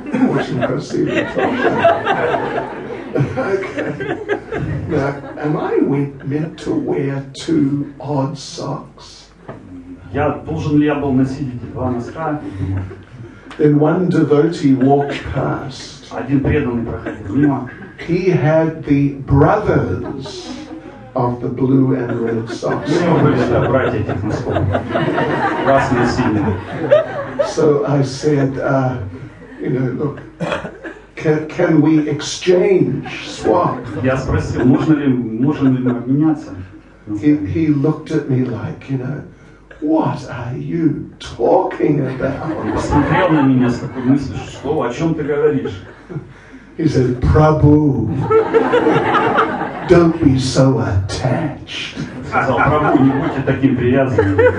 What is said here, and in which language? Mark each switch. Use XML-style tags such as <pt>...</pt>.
<ru>Очень красивый. Okay.</ru> <en>Now, am I meant to wear two odd socks?</en> <ru>Я должен ли я был носить эти два носка?</ru> <en>Then one devotee walked past.</en> <ru>Один преданный проходил мимо.</ru> <en>He had the brothers of the blue and red socks.</en> <ru>У него были братья этих носков, красные и синие.</ru> <en>So I said, look. Can we exchange swap?</en> <ru>Я спросил, можно ли мы обменяться?</ru> <en>He looked at me like, what are you talking about?</en> <ru>Он смотрел на меня с такой мыслью, что, о чем ты говоришь?</ru> <en>He said, Prabhu, don't be so attached.</en> <ru>Сказал, Прабу, не будьте таким привязанным.</ru>